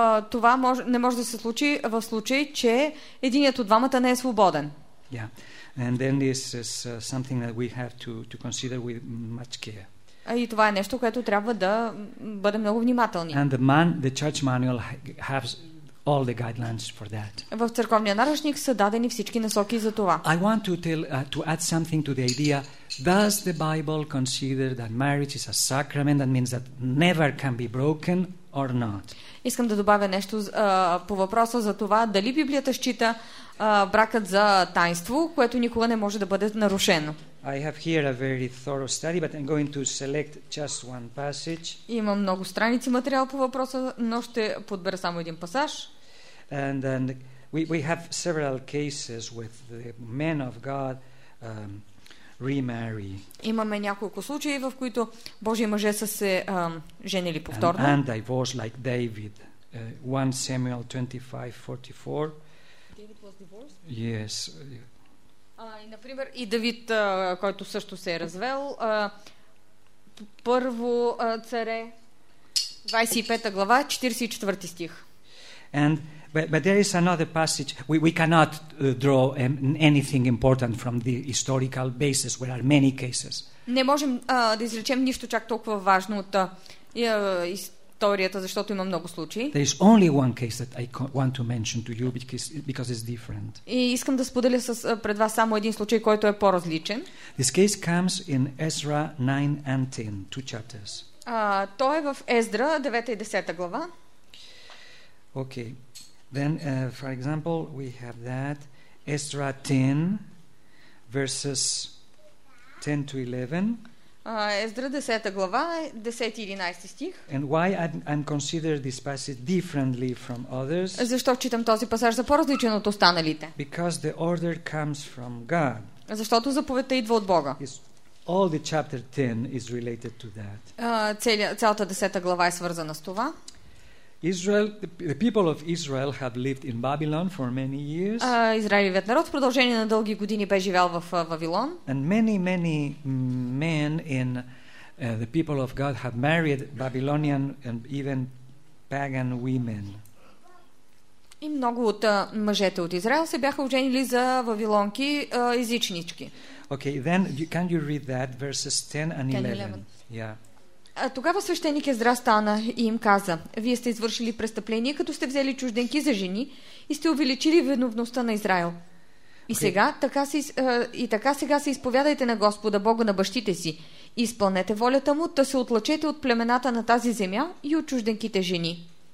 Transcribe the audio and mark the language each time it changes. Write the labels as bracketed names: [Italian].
[Bulgarian] Това не може да се случи в случай, че единият от двамата не е свободен. [English] Yeah. And then this is something that we have to consider with much care. [Bulgarian] И това е нещо, което трябва да бъдем много внимателни. [English] And the church manual has all the guidelines for that. [Bulgarian] В църковния наръчник са дадени всички насоки за това. [English] I want to add something to the idea. Does the Bible consider that marriage is a sacrament that means that never can be broken or not? [Bulgarian] Искам да добавя нещо по въпроса за това дали Библията счита бракът за тайнство, което никога не може да бъде нарушено. [English] I have here a very thorough study, but I'm going to select just one passage. [Bulgarian] Имам много страници материал по въпроса, но ще подбера само един пасаж. [English] And then we have several cases with the men of God remarry. [Bulgarian] Имаме няколко случаи, в които Божии мъже са се женили повторно. [English] And divorced like David. 1 Samuel 25:44. David was divorced? Yes. [Bulgarian] Например, и Давид, който също се е развел, първо царе, 25 глава, 44 стих. [English] But there is another passage. We cannot draw anything important from the historical basis where are many cases. [Bulgarian] Не можем да извлечем нищо чак толкова важно от историята, защото има много случаи. [English] There is only one case that I want to mention to you because it's different. [Bulgarian] И искам да споделя пред вас само един случай, който е по-различен. [English] This case comes in Ezra 9 and 10, two chapters. [Bulgarian] Той е в Ездра 9 и 10 глава. [English] Okay. Then for example, we have that Ezra 10 verses 10 to 11. [Bulgarian] Ездра 10 глава, 10-11 стих. [English] And why I'm consider this passage differently from others? [Bulgarian] Защо читам този пасаж за по-различен от останалите? [English] Because the order comes from God. [Bulgarian] Защото заповедта идва от Бога. [English] All the chapter 10 is related to that. [Bulgarian] Цялата 10 глава е свързана с това. [English] Israel, the people of Israel have lived in Babylon for many years. [Bulgarian] Израелевият народ в продължение на дълги години бе живял в Вавилон. [English] And many men in the people of God have married Babylonian and even pagan women. [Bulgarian] И много от мъжете от Израел се бяха оженили за вавилонки, езичнички. [English] Okay, then can you read that verses 10 and 11? Yeah. [Bulgarian] Тогава свещеник Ездра стана и им каза: Вие сте извършили престъпление, като сте взели чужденки за жени и сте увеличили виновността на Израел. И сега, така сега се изповядайте на Господа, Бога на бащите си, и изпълнете волята му, да се отлъчете от племената на тази земя и от чужденките жени.